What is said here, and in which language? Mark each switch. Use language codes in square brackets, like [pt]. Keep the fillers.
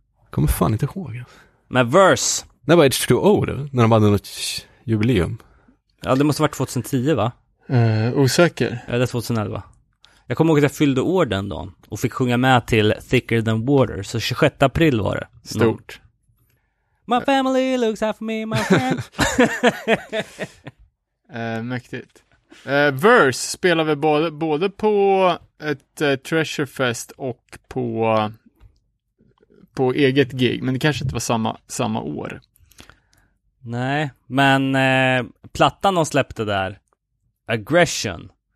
[sv] Kommer fan inte ihåg. Men Verse, Det var H2O då, när de hade något sh- jubileum. ja det måste ha varit 2010 va? Eh, osäker. Eller 2011. Jag kommer ihåg att jag fyllde år den dagen och fick sjunga med till Thicker than water, så 26 april var det. Stort. [en] My family looks after me, my friend. [sv] Eh, mäktigt. Eh, Verse spelar vi både, både på ett eh, Treasure Fest och på, på eget gig, men det kanske inte var samma, samma år. Nej, men eh, plattan de släppte där, Aggression.